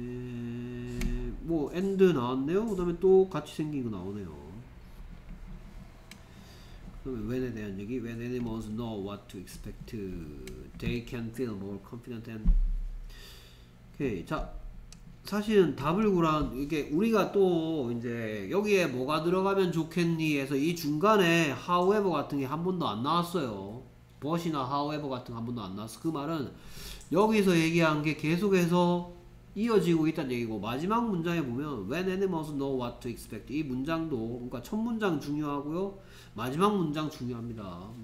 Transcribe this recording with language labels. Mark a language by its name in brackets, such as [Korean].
[Korean] 그다음에 뭐 end 나왔네요. 그다음에 또 같이 생긴 거 나오네요. 그다음에 when에 대한 얘기. [English] When animals know what to expect, they can feel more confident and. [Korean] 오케이. 자. 사실은 답을 구란 이게 우리가 또 이제 여기에 뭐가 들어가면 좋겠니 해서 이 중간에 however 같은 게한 번도 안 나왔어요. but이나 however 같은 거한 번도 안 나왔어. 그 말은 여기서 얘기한 게 계속해서 이어지고 있다는 얘기고, 마지막 문장에 보면 [English] when animals know what to expect [Korean] 이 문장도, 그러니까 첫 문장 중요하고요, 마지막 문장 중요합니다.